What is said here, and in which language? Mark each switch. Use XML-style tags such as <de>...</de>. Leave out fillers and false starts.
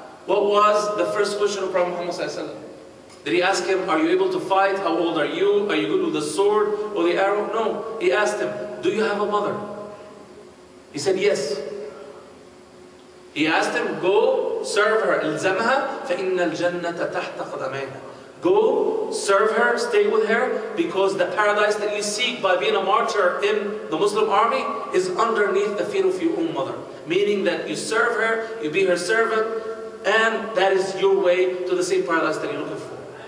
<en>What was the first question of Prophet Muhammad ﷺ? Did he ask him, "Are you able to fight? How old are you? Are you good with the sword or the arrow?" No. He asked him, "Do you have a mother?" He said, "Yes." He asked him, "Go serve her.</en> <ar>إلزمها فإن الجنة تحت قدميها."</ar> <en>Go serve her, stay with her, because the paradise that you seek by being a martyr in the Muslim army is underneath the feet of your own mother. Meaning that you serve her, you be her servant, and that is your way to the same paradise that you're looking for.</en>